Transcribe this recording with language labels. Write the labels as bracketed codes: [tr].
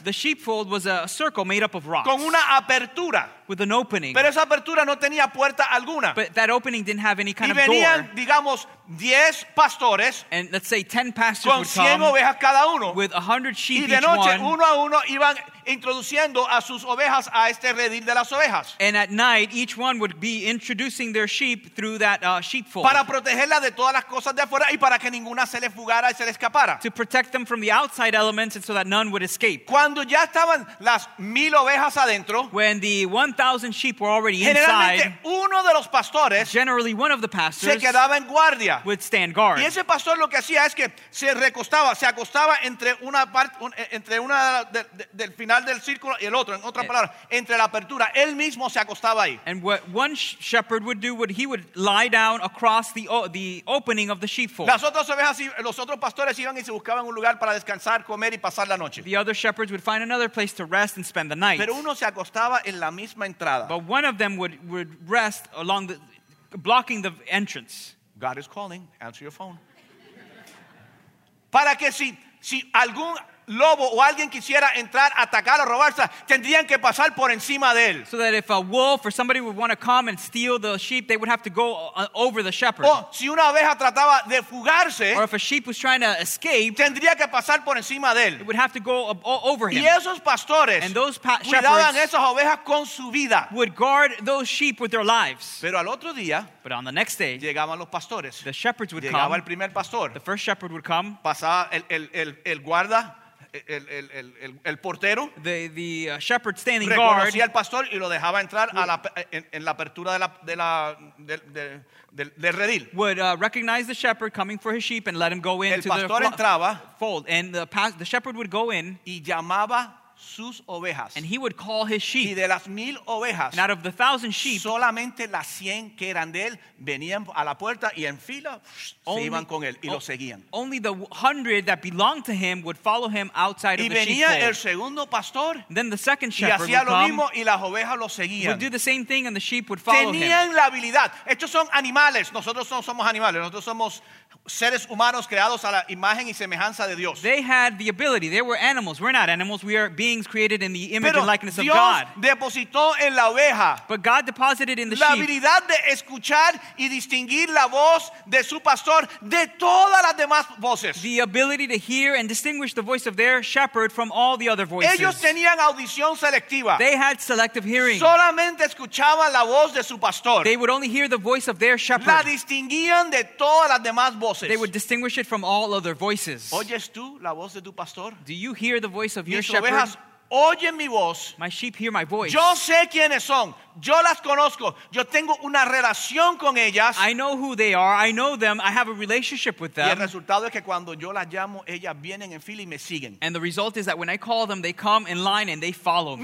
[en] The sheepfold was a circle made up of rocks. [es] Con una apertura. [en] With an opening. [es] Pero esa apertura no tenía puerta alguna. [en] But that opening didn't have any kind [es] y venían, [en] of door. [es] Digamos, 10 pastores. [en] And let's say 10 pastors [es] con 100 [en] would come [es] ovejas cada uno. [en] With 100 sheep [es] y de noche, [en] each one. [es] Uno a uno iban introduciendo a sus ovejas a este redil de las ovejas. [en] And at night, each one would be introducing their sheep through that sheepfold. [es] Para protegerla de todas las cosas de afuera y para que ninguna se les fugara y se les escapara. [en] To protect them from the outside elements and so that none would escape. [es] Cuando ya estaban las 1,000 ovejas adentro, [en] when the 1,000 sheep were already [es] generalmente [en] inside, [es] uno de los pastores, [en] generally one of the pastors, [es] se quedaba en guardia, [en] would stand guard. [es] Y ese pastor lo que hacía es que se recostaba, se acostaba entre una parte, entre una del final del círculo y el otro, en otra palabra, entre la apertura, él mismo se acostaba ahí. [en] And what one shepherd would do, would he would lie down across the opening of the sheepfold. [es] Las otras ovejas, los otros pastores iban y se buscaban un lugar para descansar, comer y pasar la noche. [en] The other shepherds would find another place to rest and spend the night. [es] Pero uno se acostaba en la misma entrada. [en] But one of them would rest along the, blocking the entrance. God is calling. Answer your phone. [es] Para que si algún lobo o alguien quisiera entrar, atacar o robarse, tendrían que pasar por encima de él. [en] So that if a wolf or somebody would want to come and steal the sheep, they would have to go over the shepherd. [es] O si una oveja trataba de fugarse, [en] or if a sheep was trying to escape, [es] tendría que pasar por encima de él. [en] It would have to go over him. [es] Y esos pastores, [en] and those [es] cuidaban esas ovejas con su vida. [en] Would guard those sheep with their lives. [es] Pero al otro día, [en] but on the next day, [es] llegaban los pastores. [en] The shepherds would [es] llegaba [en] come. [es] Llegaba el primer pastor. [en] The first shepherd would come. [es] Pasaba el guarda. El portero, [en] the shepherd standing [es] reconocía [en] guard, [es] reconocía al pastor y lo dejaba entrar would, a la en la apertura de la de la de redil. [en] Would recognize the shepherd coming for his sheep and let him go in. [es] El pastor entraba, [en] fold, and the shepherd would go in [es] y llamaba sus ovejas. [en] And he would call his sheep. [es] Y de las 1,000 ovejas, [en] and out of the 1,000 sheep, [es] solamente las 100 que eran de él venían a la puerta y en fila only, se iban con él y lo seguían. [en] Only the 100 that belonged to him would follow him outside [es] y [en] of the [es] sheepfold. Y venía el segundo pastor, [en] then the second shepherd [es] y hacía lo [en] come, [es] mismo y las ovejas lo seguían. [en] Would do the same thing and the sheep would follow [es] tenían [en] him. [es] Tenían la habilidad. Estos son animales. Nosotros no somos animales. Nosotros somos seres humanos creados a la imagen y semejanza de Dios. [en] They had the ability. They were animals. We're not animals. We are beings created in the image [es] pero [en] and likeness [es] Dios [en] of God. [es] Depositó en la oveja. [en] But God deposited in the [es] la [en] sheep. [es] La habilidad de escuchar y distinguir la voz de su pastor de todas las demás voces. [en] The ability to hear and distinguish the voice of their shepherd from all the other voices. [es] Ellos tenían audición selectiva. [en] They had selective hearing. [es] Solamente escuchaban la voz de su pastor. [en] They would only hear the voice of their shepherd. [es] La distinguían de todas las demás voces. [en] They would distinguish it from all other voices. [es] ¿Oyes tú la voz de tu pastor? [en] Do you hear the voice of [es] mis [en] your [es] ovejas, [en] shepherd? [es] Oye mi voz. [en] My sheep hear my voice. [es] Yo sé quiénes son. Yo las conozco. Yo tengo una relación con ellas. [en] I know who they are. I know them. I have a relationship with them. [es] Y el resultado es que cuando yo las llamo, ellas vienen en fila y me siguen. [en] And the result is that when I call them, they come in line and they follow me.